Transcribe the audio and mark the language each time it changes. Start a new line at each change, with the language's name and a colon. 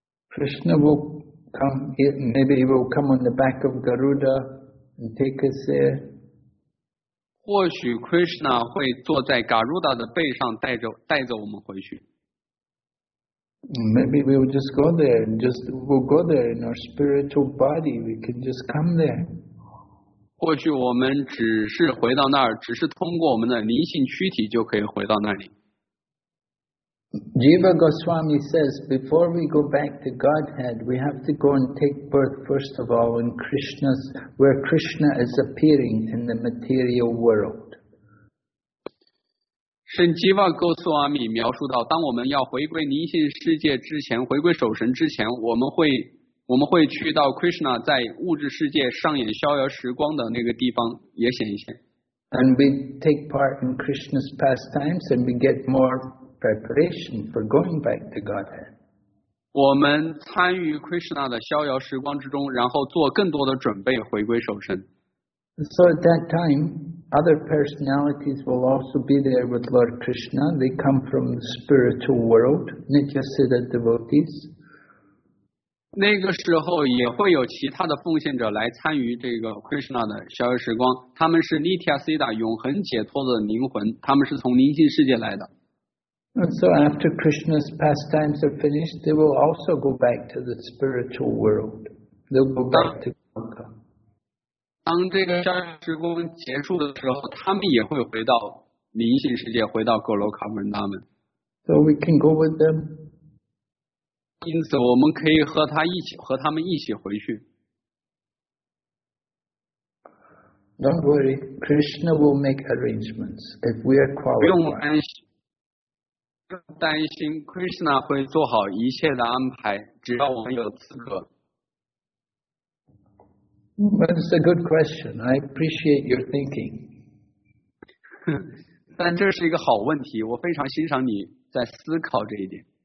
English: Krishna will come, maybe he will come on the back of Garuda and take us there.
Chinese: 或许 Krishna 会坐在 Garuda 的背上带走我们回去。
English: Maybe we will just go there and just we'll go there in our spiritual body. We can just come there.
Chinese: 或许我们只是回到那儿，只是通过我们的灵性躯体就可以回到那里。
English: Jiva Goswami says, before we go back to Godhead, we have to go and take birth first of all in Krishna's, where Krishna is appearing in the material world.
Chinese: 圣 Jiva Goswami 描述到，当我们要回归灵性世界之前，回归守神之前，我们会去到 Krishna 在物质世界上演逍遥时光的那个地方也显一显。
English: And we take part in Krishna's pastimes and we get more. Preparation for going back to Godhead.
Chinese: 我们参与 Krishna 的逍遥时光之中，然后做更多的准备回归守身。
English: So at that time, other personalities will also be there with Lord Krishna. They come from the spiritual world, Nityasiddha devotees.
Chinese: 那个时候也会有其他的奉献者来参与这个 Krishna 的逍遥时光。他们是 Nityasiddha 永恒解脱的灵魂，他们是从灵性世界来的。
English: And so after Krishna's pastimes are finished, they will also go back to the spiritual world. They'll go back to Goloka.
Chinese: 当这个逍遥时光结束的时候，他们也会回到灵性世界，回到格罗卡文达门。
English: So we can go with them.
Chinese: 因此，我们可以和他们一起回去。
English: Don't worry, Krishna will make arrangements if we are qualified.
Chinese: 不用担心。担心 Krishna 会做好一切的安排，只要我们有资格。
English: That's a good question. I appreciate your thinking.
Chinese: 但这是一个好问题，我非常欣赏你在思考这一点。